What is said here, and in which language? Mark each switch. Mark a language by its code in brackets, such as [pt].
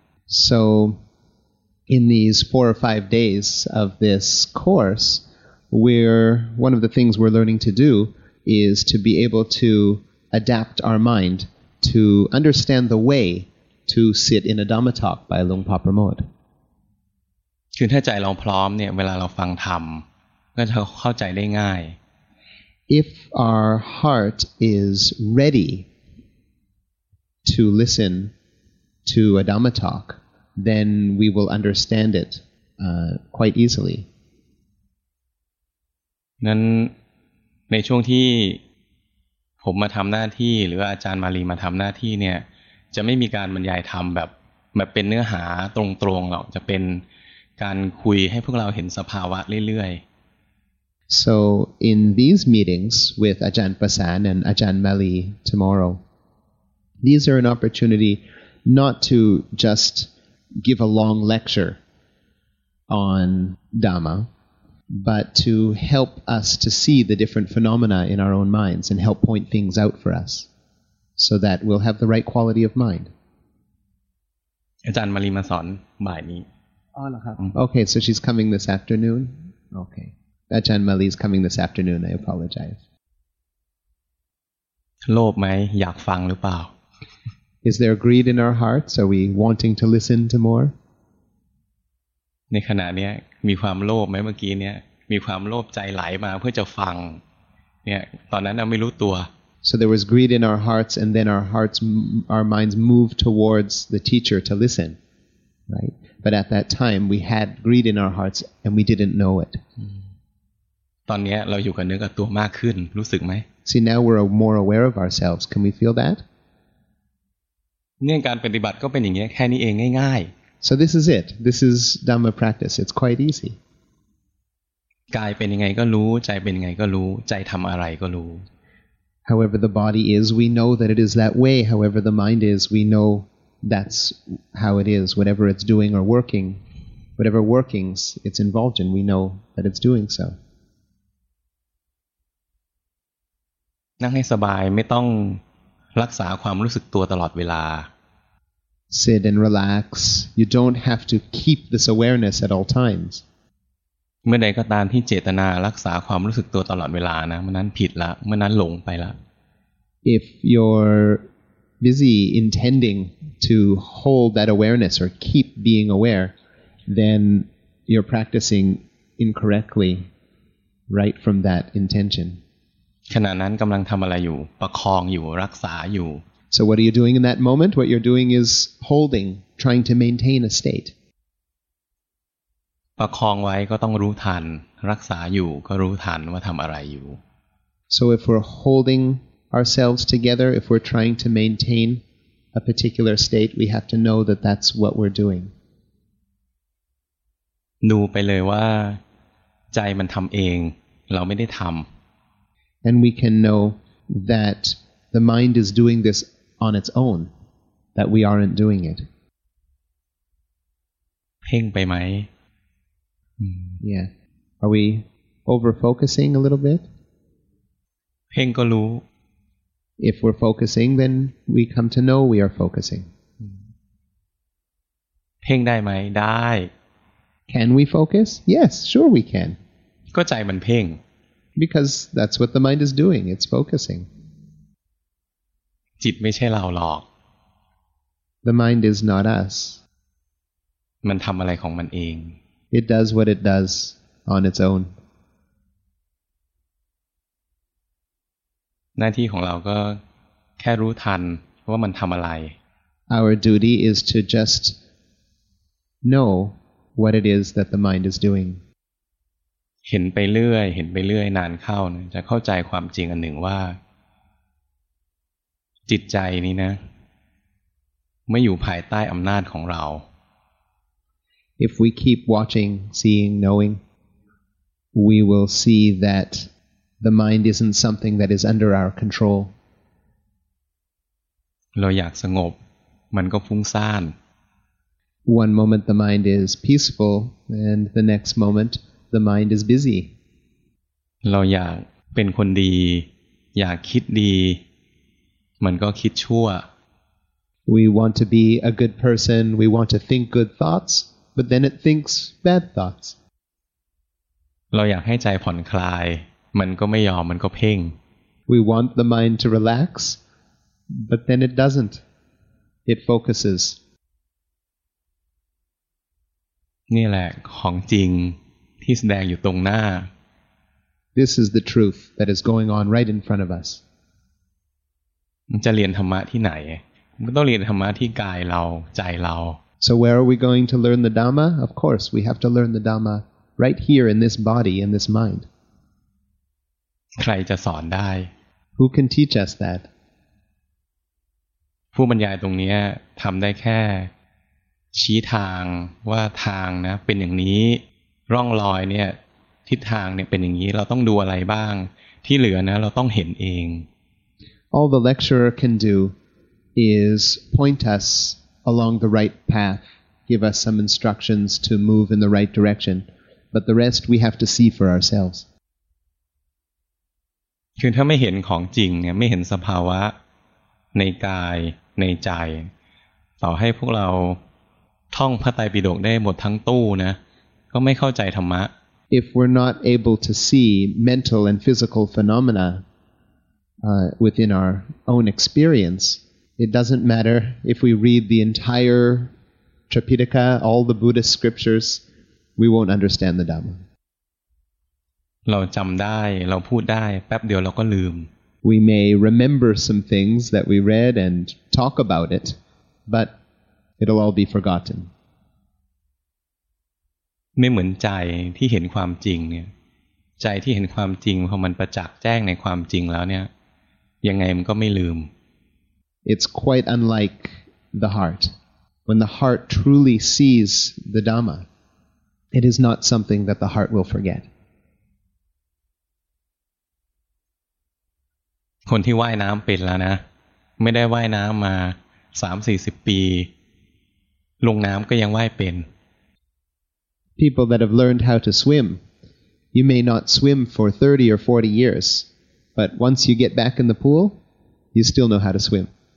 [en] So, in these 4 or 5 days of this course,one of the things we're learning to do is to be able to adapt our mind to understand the way to sit in a Dhamma talk by Longpa Pramote. [th] คือถ้าใจเราพร้อมเนี่ยเวลาเราฟังธรรมก็จะเข้าใจได้ง่าย [en] If our heart is ready to listen to a Dhamma talk, then we will understand it quite easily. [th] นั้นในช่วงที่ผมมาทำหน้าที่หรืออาจารย์มาลีมาทำหน้าที่เนี่ยจะไม่มีการบรรยายธรรมแบ แบบเป็นเนื้อหาตรงๆหรอกจะเป็นการคุยให้พวกเราเห็นสภาวะเรื่อย [en] ๆ So in these meetings with Ajahn Pasan and Ajahn Mali tomorrow, these are an opportunity not to just give a long lecture on Dhamma, but to help us to see the different phenomena in our own minds and help point things out for us so that we'll have the right quality of mind. [th] อาจารย์มารีมาสอนบ่ายนี้ อ๋อเหรอครับ [en] โอเค so she's coming this afternoon okay อาจารย์มารี's coming this afternoon I apologize [th] โลภไหมอยากฟังหรือเปล่า [en] Is there greed in our hearts are we wanting to listen to more [th] ในขณะนี้มีความโลภไหมเมื่อกี้เนี้ยมีความโลภใจไหลมาเพื่อจะฟังเนี่ยตอนนั้นเราไม่รู้ตัว [en] So there was greed in our hearts, and then our minds moved towards the teacher to listen, right? But at that time, we had greed in our hearts, and we didn't know it. [th] ตอนนี้เราอยู่กับเนื้อกับตัวมากขึ้นรู้สึกไหม [en] See, now we're more aware of ourselves. Can we feel that? [th] เนี่ยการปฏิบัติก็เป็นอย่างนี้แค่นี้เองง่าย [en] ๆ So this is it. This is Dhamma practice. It's quite easy. [th] กายเป็นยังไงก็รู้ใจเป็นยังไงก็รู้ใจทำอะไรก็รู้ [en] However the body is, we know that it is that way. However the mind is, we know that's how it is. Whatever it's doing or working, whatever workings it's involved in, we know that it's doing so. [th] นั่งให้สบายไม่ต้องรักษาความรู้สึกตัวตลอดเวลา [en] Sit and relax. You don't have to keep this awareness at all times. [th] เมื่อใดก็ตามที่เจตนารักษาความรู้สึกตัวตลอดเวลานะเมื่อนั้นผิดละเมื่อนั้นหลงไปละ [en] If you're busy intending to hold that awareness or keep being aware, then you're practicing incorrectly right from that intention. [th] ขณะนั้นกำลังทำอะไรอยู่ประคองอยู่รักษาอยู่ [en] So what are you doing in that moment? What you're doing is holding, trying to maintain a state. [th] ประคองไว้ก็ต้องรู้ทันรักษาอยู่ก็รู้ทันว่าทำอะไรอยู่ [en] So if we're holding ourselves together, if we're trying to maintain a particular state, we have to know that that's what we're doing. [th] ดูไปเลยว่าใจมันทำเองเราไม่ได้ทำ [en] And we can know that the mind is doing this on its own, that we aren't doing it. [th] เพ่งไปไหม [en] Yeah. Are we over-focusing a little bit? [th] เพ่งก็รู้ [en] If we're focusing, then we come to know we are focusing. [th] เพ่งได้ไหมได้ [en] Can we focus? Yes, sure we can. [th] ก็ใจมันเพ่ง [en] Because that's what the mind is doing. It's focusing. [th] จิตไม่ใช่เราหรอก [en] The mind is not us. [th] มันทำอะไรของมันเอง [en] It does what it does on its own. [th] หน้าที่ของเราก็แค่รู้ทันว่ามันทำอะไร [en] Our duty is to just know what it is that the mind is doing. [th] เห็นไปเรื่อยเห็นไปเรื่อยนานเข้าจะเข้าใจความจริงอันหนึ่งว่าจิตใจนี้นะไม่อยู่ภายใต้อำนาจของเรา [en] If we keep watching, seeing, knowing, we will see that the mind isn't something that is under our control. [th] เราอยากสงบมันก็ฟุ้งซ่าน [en] One moment the mind is peaceful, and the next moment the mind is busy. [th] เราอยากเป็นคนดีอยากคิดดีมันก็คิดชั่ว [en] We want to be a good person, we want to think good thoughts,But then it thinks bad thoughts. [th] เราอยากให้ใจผ่อนคลายมันก็ไม่ยอมมันก็เพ่ง [en] We want the mind to relax, but then it doesn't. It focuses. [th] นี่แหละของจริงที่แสดงอยู่ตรงหน้า [en] This is the truth that is going on right in front of us. [th] จะเรียนธรรมะที่ไหนมันต้องเรียนธรรมะที่กายเราใจเรา [en] So where are we going to learn the Dhamma? Of course, we have to learn the Dhamma right here in this body, in this mind. [th] ใครจะสอนได้ [en] Who can teach us that? [th] ผู้บรรยายตรงนี้ทำได้แค่ ชี้ทางว่าทางนะเป็นอย่างนี้ร่องรอยเนี่ยทิศทางเนี่ยเป็นอย่างนี้เราต้องดูอะไรบ้างที่เหลือนะเราต้องเห็นเอง [en] All the lecturer can do is point us along the right path, give us some instructions to move in the right direction, but the rest we have to see for ourselves. [th] คือถ้าไม่เห็นของจริงเนี่ยไม่เห็นสภาวะในกายในใจต่อให้พวกเราท่องพระไตรปิฎกได้หมดทั้งตู้นะก็ไม่เข้าใจธรรมะ [en] If we're not able to see mental and physical phenomena within our own experience, it doesn't matter if we read the entire Tripitaka, all the Buddhist scriptures, we won't understand the Dhamma. [th] เราจำได้เราพูดได้แป๊บเดียวเราก็ลืม [en] We may remember some things that we read and talk about it, but it'll all be forgotten. [th] ไม่เหมือนใจที่เห็นความจริงเนี่ยใจที่เห็นความจริงพอมันประจักษ์แจ้งในความจริงแล้วเนี่ยยังไงมันก็ไม่ลืม [en] It's quite unlike the heart. When the heart truly sees the Dhamma, it is not something that the heart will forget. [th] คนที่ว่ายน้ำเป็นแล้วนะไม่ได้ว่ายน้ำมา 30-40 ปีลงน้ำก็ยังว่ายเป็น [en] People that have learned how to swim, you may not swim for 30 or 40 years, but once you get back in the pool, you still know how to swim.